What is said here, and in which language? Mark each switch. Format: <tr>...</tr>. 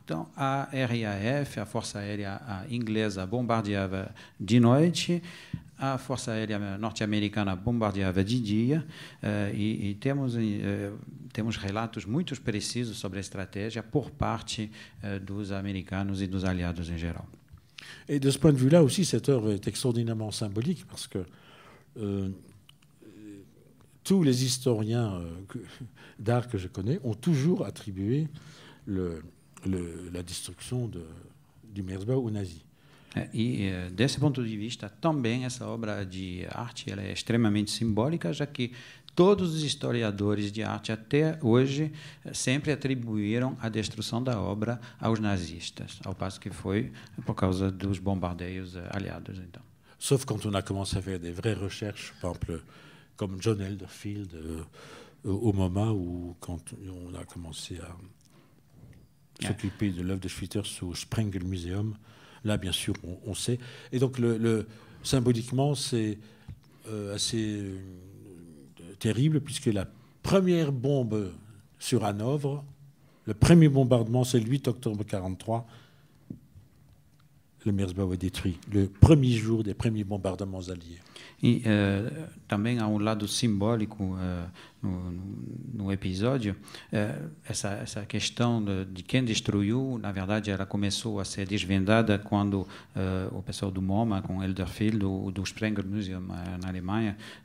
<pt>Então, a RAF, a Força Aérea Inglesa, bombardeava de noite... a Força Aérea Norte-Americana bombardeava de dia e temos relatos muito precisos sobre a estratégia por parte dos americanos e dos aliados em geral.</pt> <fr>E, de ce point de vue-là aussi, cette œuvre est extraordinairement symbolique parce que tous les historiens d'art que je connais ont toujours attribué la destruction du Merzbau aux nazis.</fr> <pt>E desse ponto de vista, também essa obra de arte ela é extremamente simbólica, já que todos os historiadores de arte até hoje sempre atribuíram a destruição da obra aos nazistas, ao passo que foi por causa dos bombardeios aliados. Então.</pt> <fr>Sauf quand on a commencé à faire des vraies recherches, par exemple, comme John Elderfield, au moment où quand on a commencé à s'occuper de l'œuvre de Schwitters au Sprengel Museum. Là, bien sûr, on sait. Et donc, le symboliquement, c'est assez terrible, puisque la première bombe sur Hanovre, le premier bombardement, c'est le 8 octobre 1943. Le Merzbau est détruit. Le premier jour des premiers bombardements alliés.</fr> <pt>E também há um lado simbólico no episódio, essa questão de quem destruiu, na verdade, ela começou a ser desvendada quando o pessoal do MoMA, com Elderfield, do Sprenger Museum na Alemanha,</pt>